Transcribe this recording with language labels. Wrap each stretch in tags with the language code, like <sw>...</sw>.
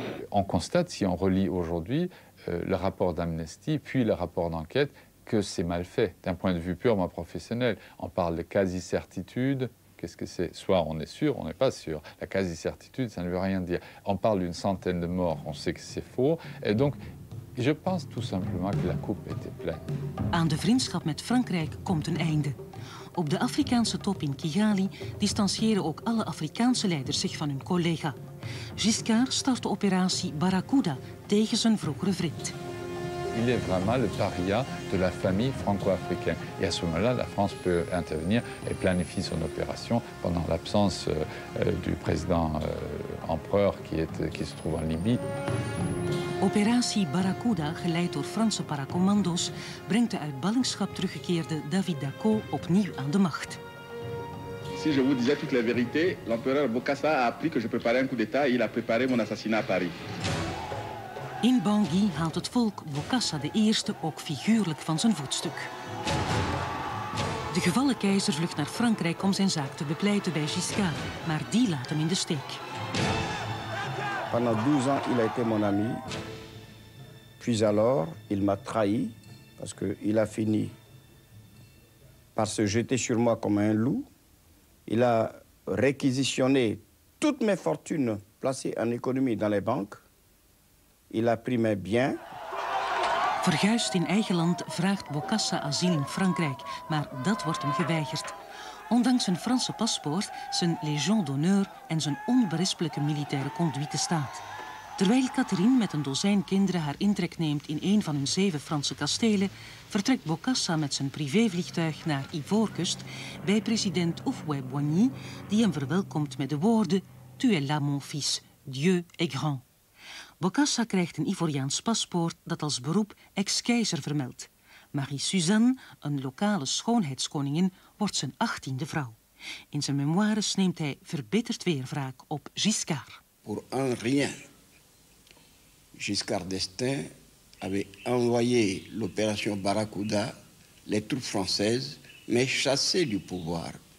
<fr>On constate, si on relit aujourd'hui, le rapport d'Amnesty, puis le rapport d'enquête, que c'est mal fait, d'un point de vue purement professionnel. On parle de quasi-certitude, qu'est-ce que c'est? Soit on est sûr, on n'est pas sûr. La quasi-certitude, ça ne veut rien dire. On parle d'une centaine de morts, on sait que c'est faux. Et donc, je pense tout simplement que la coupe était pleine.</fr> <nl>Aan de vriendschap met Frankrijk komt een einde. Op de Afrikaanse top in Kigali distancieren ook alle Afrikaanse leiders zich van hun collega. Giscard start de operatie Barracuda tegen zijn vroegere vriend.</nl> <fr>Il est vraiment le paria de la famille franco-africaine. Et à ce moment-là, la France peut intervenir et planifier son opération pendant l'absence du président empereur qui se trouve en Libye.</fr> <nl>Operatie Barracuda, geleid door Franse paracommando's, brengt de uit ballingschap teruggekeerde David Daco opnieuw aan de macht.</nl> <fr>Si je vous disais toute la vérité, l'empereur Bokassa a appris que je préparais un coup d'état et il a préparé mon assassinat à Paris.</fr> <nl>In Bangui haalt het volk Bokassa de eerste ook figuurlijk van zijn voetstuk. De gevallen keizer vlucht naar Frankrijk om zijn zaak te bepleiten bij Giscard, maar die laat hem in de steek.</nl> <fr>Pendant 12 ans, il a été mon ami. Puis alors, il m'a trahi parce que il a fini par se jeter sur moi comme un loup. Il a réquisitionné toutes mes fortunes placées en économie dans les banques. Il a pris mes biens.</fr> <nl>Verguisd in eigen land vraagt Bokassa asiel in Frankrijk, maar dat wordt hem geweigerd. Ondanks zijn Franse paspoort, zijn Légion d'honneur en zijn onberispelijke militaire conduite staat. Terwijl Catherine met een dozijn kinderen haar intrek neemt in een van hun 7 Franse kastelen, vertrekt Bokassa met zijn privévliegtuig naar Ivoorkust bij president Houphouët Boigny, die hem verwelkomt met de woorden:</nl> <fr>Tu es là mon fils, Dieu est grand.</fr> <nl>Bokassa krijgt een Ivoriaans paspoort dat als beroep ex-keizer vermeldt. Marie-Suzanne, een lokale schoonheidskoningin, wordt zijn 18e vrouw. In zijn memoires neemt hij verbitterd weerwraak op Giscard. Voor een rien.</nl> <fr>Giscard d'Estaing avait envoyé l'opération Barracuda, les troupes françaises, mais chassé du pouvoir.</fr>